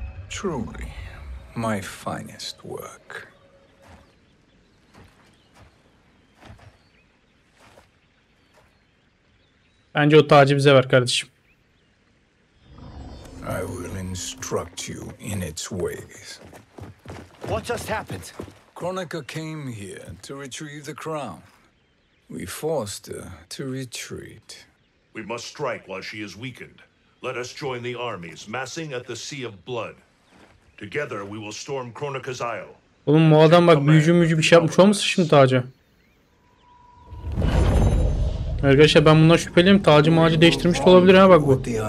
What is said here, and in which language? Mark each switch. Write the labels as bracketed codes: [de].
[en] Truly my finest work. [tr] Bence o tacı bize ver kardeşim. [en] I will instruct you in its ways. What just happened? Kronika came here to retrieve the crown. We forced her to retreat. We must strike while she is weakened. Let us join the armies massing at the Sea of Blood. Together we will storm Kronika's Isle. [tr] Oğlum bu adam bak büyücü bir şey yapmış olmasın şimdi tacı? Arkadaşlar ben bundan şüpheliyim. Tacı macı değiştirmiş de olabilir ha bak bu.